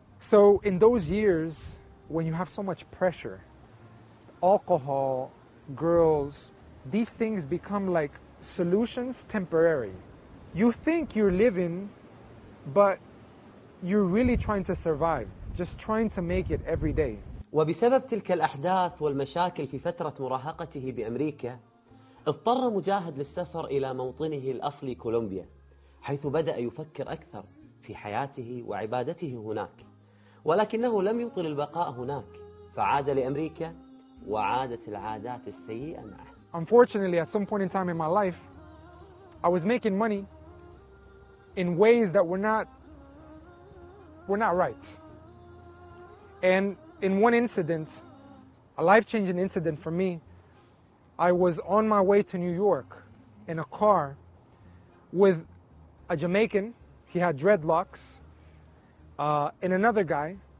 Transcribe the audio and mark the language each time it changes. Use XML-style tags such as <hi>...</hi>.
<en>So in those years, when you have so much pressure, alcohol, girls, these things become like solutions temporary. You think you're living, but you're really trying to survive, just trying to make it every day.</en> <ar>وبسبب تلك الأحداث والمشاكل في فترة مراهقته بأمريكا اضطر مجاهد للسفر إلى موطنه الأصلي كولومبيا حيث بدأ يفكر أكثر في حياته وعبادته هناك ولكنه لم يطل البقاء هناك فعاد لأمريكا وعادت العادات السيئة معه</ar> <en>Unfortunately, at some point in time in my life, I was making money in ways that were not right. And in one incident, a life-changing incident for me, I was on my way to New York in a car with a Jamaican, he had dreadlocks, and another guy.</en>